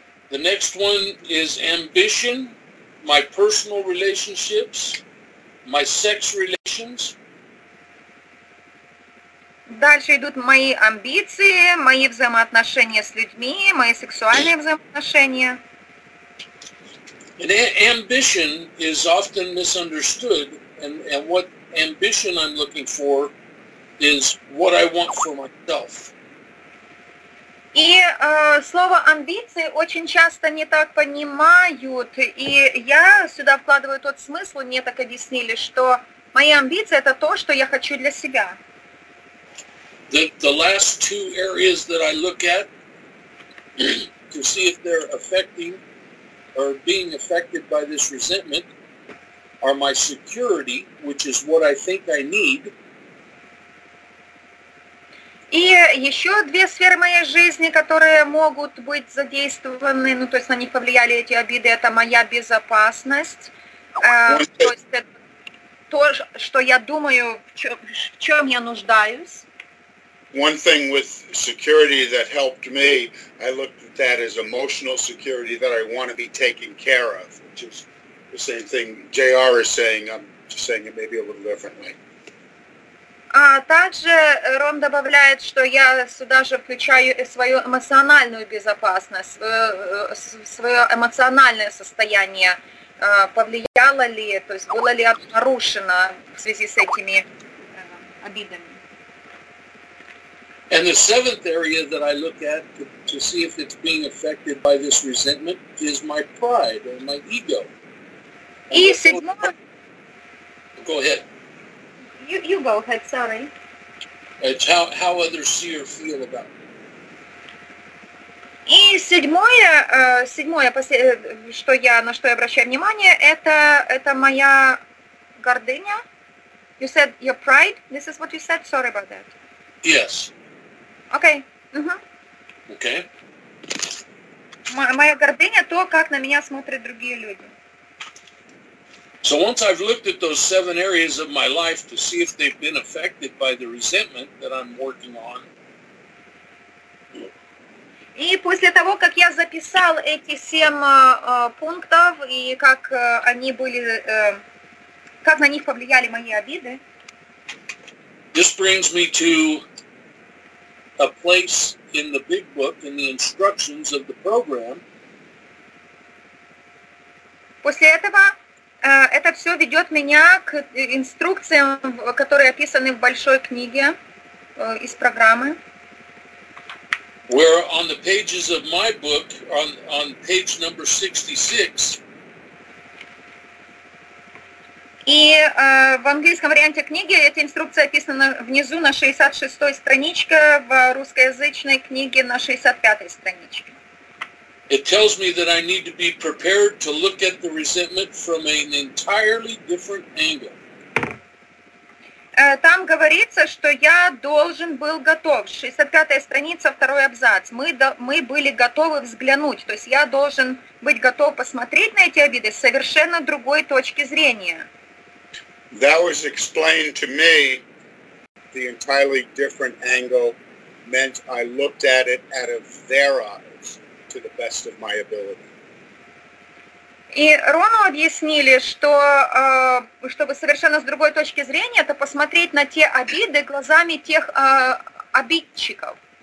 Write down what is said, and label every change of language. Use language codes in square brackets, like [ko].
[en] The next one is ambition, my personal relationships, my sex relations. [ru] Дальше идут мои амбиции, мои взаимоотношения с людьми, мои сексуальные взаимоотношения. [en] And ambition is often misunderstood, and what ambition I'm looking for is what I want for myself. [ru] И слово амбиции очень часто не так понимают, и я сюда вкладываю тот смысл, мне так объяснили, что мои амбиции – это то, что я хочу для себя. [en] The last two areas that I look at to see if they're affecting or being affected by this resentment are my security, which is what I think I need. [ru] И еще две сферы моей жизни, которые могут быть задействованы, то есть на них повлияли эти обиды, это моя безопасность, то есть это то, что я думаю, в чем я нуждаюсь. [en] one thing with security that helped me, I looked at that as emotional security that I want to be taken care of, which is the same thing JR is saying. I'm just saying it maybe a little differently. [ru] А также Рон добавляет, что я сюда же включаю и свою эмоциональную безопасность, свое эмоциональное состояние. Повлияло ли, то есть было ли нарушено в связи с этими обидами? [en] And the seventh area that I look at to see if it's being affected by this resentment is my pride or my ego. [ru] И седьмое... [en] Go ahead. You go ahead, sorry. It's how others see or feel about me. [ru] И седьмое, что я, на что я обращаю внимание, это моя гордыня. [en] You said your pride? This is what you said? Sorry about that. Yes. Okay. Okay. [ru] Моя гордыня, то, как на меня смотрят другие люди. [en] So once I've looked at those seven areas of my life to see if they've been affected by the resentment that I'm working on. [ru] И после того, как я записал эти семь пунктов и как они были, как на них повлияли мои обиды. [en] This brings me to a place in the big book, in the instructions of the program. [ru] После этого это все ведет меня к инструкциям, которые описаны в большой книге из программы. [en] Where on the pages of my book, on page number 66. [ru] И в английском варианте книги эта инструкция описана внизу на 66-й страничке, в русскоязычной книге на 65-й страничке. [en] It tells me that I need to be prepared to look at the resentment from an entirely different angle. [ru] Там говорится, что я должен был готов. 65-я страница, второй абзац. Мы были готовы взглянуть. То есть я должен быть готов посмотреть на эти обиды с совершенно другой точки зрения. [en] That was explained to me, the entirely different angle meant I looked at it out of their eyes to the best of my ability. [ru] И Рону объяснили, что, чтобы совершенно с другой точки зрения, это посмотреть на те обиды глазами тех обидчиков.